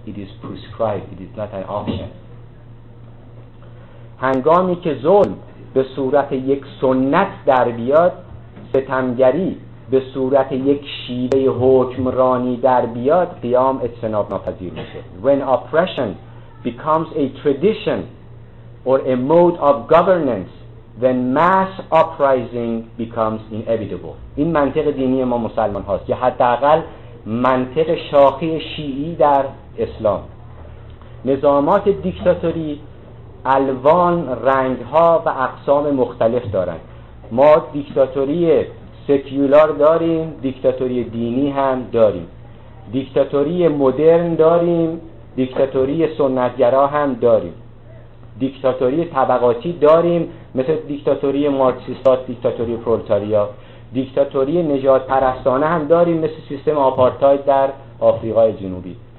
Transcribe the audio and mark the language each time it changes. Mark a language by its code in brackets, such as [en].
[en] It is prescribed. It is not an option. [fa] هنگامی که ظلم به صورت یک سنت در بیاد، ستمگری به صورت یک شیوه حکمرانی در بیاد، قیام اجتناب ناپذیر میشه. [en] When oppression becomes a tradition or a mode of governance, then mass uprising becomes inevitable. [fa] این منطق دینی ما مسلمان هاست، یا حداقل منطق شاخه شیعی در اسلام. نظامات دیکتاتوری الوان، رنگ ها و اقسام مختلف دارن. ما دیکتاتوری سکیولار داریم، دیکتاتوری دینی هم داریم، دیکتاتوری مدرن داریم، دیکتاتوری سنتگرا هم داریم، دیکتاتوری طبقاتی داریم مثل دیکتاتوری مارکسیستا، دیکتاتوری پرولتاریا، دیکتاتوری نجات پرستانه هم داریم مثل سیستم آپارتاید در آفریقای جنوبی.